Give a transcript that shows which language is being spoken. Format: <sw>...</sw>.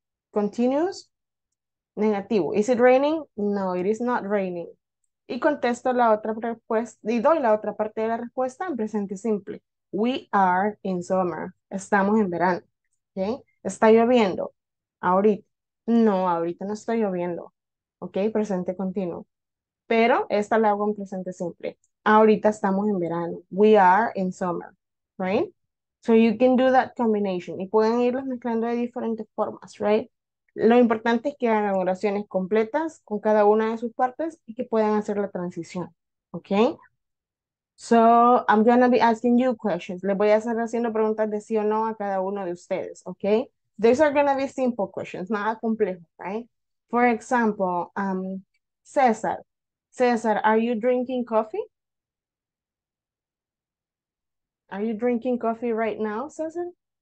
<en>Continuous negativo. Is it raining? No, it is not raining.</en> <es>Y contesto la otra respuesta, y doy la otra parte de la respuesta en presente simple.</es> <en>We are in summer.</en> <es>Estamos en verano. ¿Okay? ¿Está lloviendo? Ahorita. No, ahorita no está lloviendo. ¿Ok? Presente continuo. Pero esta la hago en presente simple. Ahorita estamos en verano.</es> <en>We are in summer. Right? So you can do that combination.</en> <es>Y pueden irlos mezclando de diferentes formas. Right? Lo importante es que hagan oraciones completas con cada una de sus partes y que puedan hacer la transición. ¿Ok?</es> <en>So I'm going to be asking you questions.</en> <es>Les voy a estar haciendo preguntas de sí o no a cada uno de ustedes.</es> <en>¿Ok? These are going to be simple questions.</en> <es>Nada complejo.</es> <en>Right? For example, César. César, are you drinking coffee? Are you drinking coffee right now, Susan?</en>